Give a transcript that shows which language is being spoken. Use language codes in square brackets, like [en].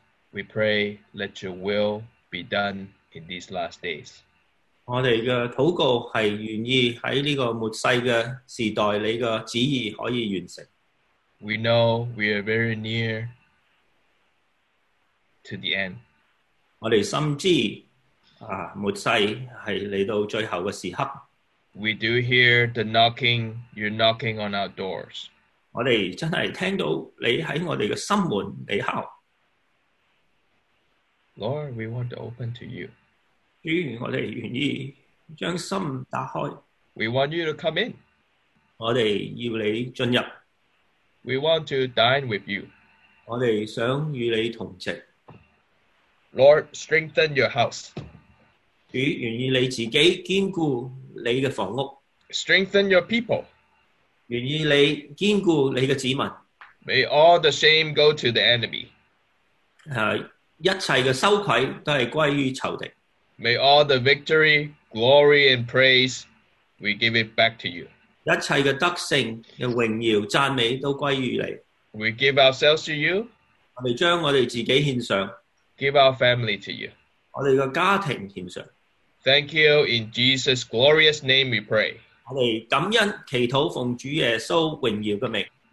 [en] We pray, let your will be done in these last days. [yue] 我哋嘅祷告系愿意喺呢个末世嘅时代，你嘅旨意可以完成。 [en] We know we are very near to the end. [yue] 我哋深知末世系嚟到最后嘅时刻。 [en] We do hear the knocking, you're knocking on our doors. [yue] 我哋真系听到你喺我哋嘅心门嚟敲。 [en] Lord, we want to open to you. [yue] 主，我哋愿意将心打开。 [en] We want you to come in. [yue] 我哋要你进入。 [en] We want to dine with you. [yue] 我哋想与你同席。 [en] Lord, strengthen your house. [yue] 主，愿意你自己坚固你嘅房屋。 [en] Strengthen your people. [yue] 愿意你坚固你嘅子民， [en] May all the shame go to the enemy. [yue] 一切嘅羞愧都系归于仇敌。 [en] May all the victory, glory, and praise we give it back to you. [yue] 一切嘅德胜嘅荣耀赞美都归于你。 [en] We give ourselves to you. [yue] 我哋将我哋自己献上， [en] Give our family to you. [yue] 我哋嘅家庭献上。 [en] Thank you. In Jesus' glorious name we pray. [yue] 我哋感恩祈祷，奉主耶稣荣耀嘅名。